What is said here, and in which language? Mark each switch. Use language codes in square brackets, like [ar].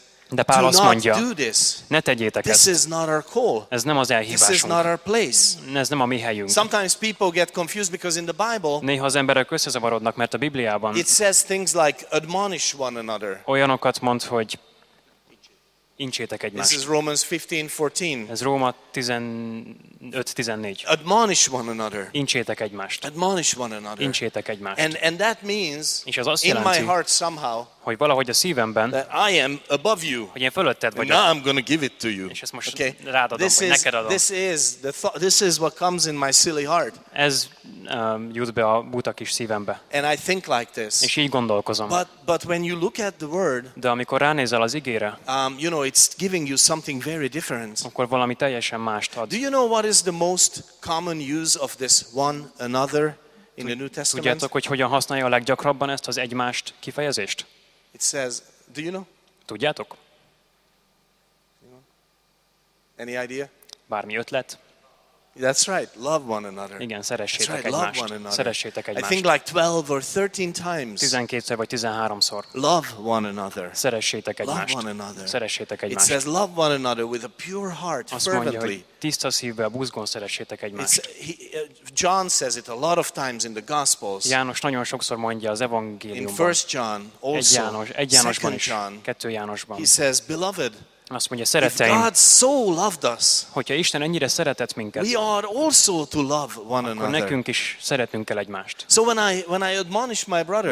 [hu] De Pál azt mondja, ne tegyétek ezt. Ez nem az elhívásunk. Ez nem a mi helyünk. [en] Sometimes people get confused because in the Bible. [hu] Néha az emberek összezavarodnak, mert a Bibliában. [en] It says things like admonish one another. [hu] Olyanokat mond, hogy incsétek egymást. [en] This is Romans 15:14. [hu] Ez Róma 15:14. [en] Admonish one another. [hu] Incsétek egymást. [en] Admonish one another. [hu] Incsétek egymást. [en] And that means [hu] és az azt [en] in [hu] jelenti, [en] my heart somehow. [hu] Hogy valahogy a szívemben. [en] That I am above you. [hu] Hogy én fölötted vagyok. [en] Now I'm going to give it to you. [hu] És ezt most okay. Rád adom, this vagy [en] is, [hu] neked adom. [en] This is what comes in my silly heart. [hu] Ez jut be a buta kis szívembe. [en] And I think like this. [hu] És így gondolkozom. [en] But when you look at the word. [hu] De amikor ránézel az igére. [en] You know it's giving you something very different. [hu] Akkor valami teljesen mást ad. [en] Do you know what is the most common use of this one another in the New Testament? [hu] Tudjátok, hogy hogyan használja a leggyakrabban ezt az egymást kifejezést? [en] It says, do you know? [hu] Tudjátok? [en] Any idea? [hu] Bármi ötlet? [en] That's right. Love one another. [hu] Igen, szeressétek egymást. [en] Love one another. [hu] Szeressétek egymást. [en] I think like 12 or 13 times. [hu] 12-szer vagy 13-szor. [en] Love one another. [hu] Szeressétek egymást. [en] Love one another. [hu] Szeressétek egymást. [en] It says love one another with a pure heart, fervently. [hu] Tiszta szívvel, buzgón szeressétek egymást. [en] John says it a lot of times in the Gospels. [hu] János nagyon sokszor mondja az evangéliumban. [en] In 1 John also. [hu] Egy Jánosban is. 2 Jánosban. [en] He says, beloved. [hu] Azt mondja, szereteim, [en] if God so loved us, [hu] hogyha Isten ennyire szeretett minket, [en] we are also to love one another. [hu] Akkor nekünk is szeretnünk kell egymást. [en] So when I admonish my brother,